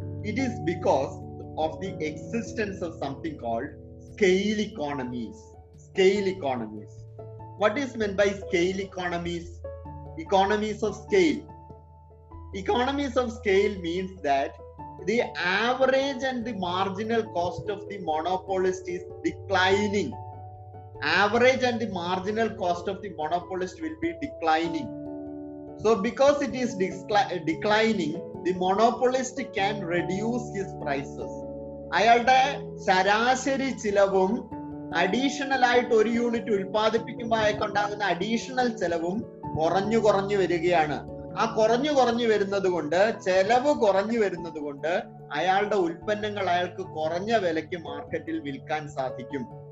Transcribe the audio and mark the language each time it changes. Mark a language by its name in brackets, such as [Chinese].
[English] It is because of the existence of something called scale economies. Scale economies, what is mean by scale economies? Economies of scale. Economies of scale means that the average and the marginal cost of the monopolist is declining. Average and the marginal cost of the monopolist will be declining. So because it is declining, the monopolist can reduce his prices. [Malayalam] അയാളുടെ ശരാശരി ചിലവും additional ആയിട്ട് ഒരു unit ഉൽപ്പാദിപ്പിക്കുമ്പോഴേക്കും ഉണ്ടാകുന്ന additional ചിലവും കുറഞ്ഞു കുറഞ്ഞു വരികയാണ്. ആ കുറഞ്ഞു കുറഞ്ഞു വരുന്നത് കൊണ്ട്, ചെലവ് കുറഞ്ഞു വരുന്നത് കൊണ്ട് അയാളുടെ ഉൽപ്പന്നങ്ങൾ അയാൾക്ക് കുറഞ്ഞ വിലയ്ക്ക് മാർക്കറ്റിൽ വിൽക്കാൻ സാധിക്കും.